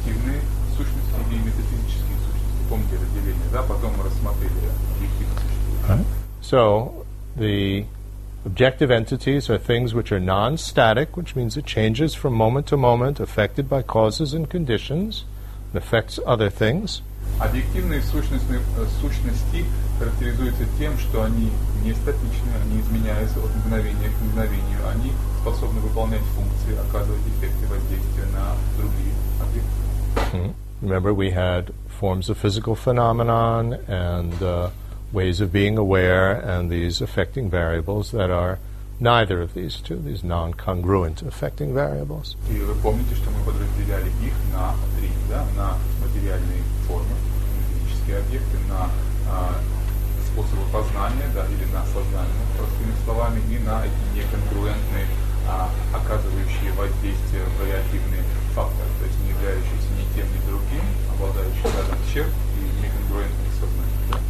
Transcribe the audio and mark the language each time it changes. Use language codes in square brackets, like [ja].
[ru] Объективные сущности и метафизические сущности. Помните разделение, да? Потом мы рассмотрели объективные сущности. [en] So, the objective entities are things which are non-static, which means it changes from moment to moment, affected by causes and conditions, and affects other things. [ru] Объективные сущности характеризуются тем, что они не статичны, они изменяются от мгновения к мгновению, они способны выполнять функции, оказывать эффекты воздействия на другие объекты. [en] Remember, we had forms of physical phenomenon and ways of being aware and these affecting variables that are neither of these two, these non-congruent affecting variables. [ru] И вы помните, что мы подразделяли их на три, да, на материальные формы, физические объекты, на способы познания, да, или на сознание, простыми словами, и на эти неконгруентные, оказывающие воздействие вариативные факторы, то есть не являющиеся ни тем, ни другим, обладающие рядом черт и неконгруентные сознания.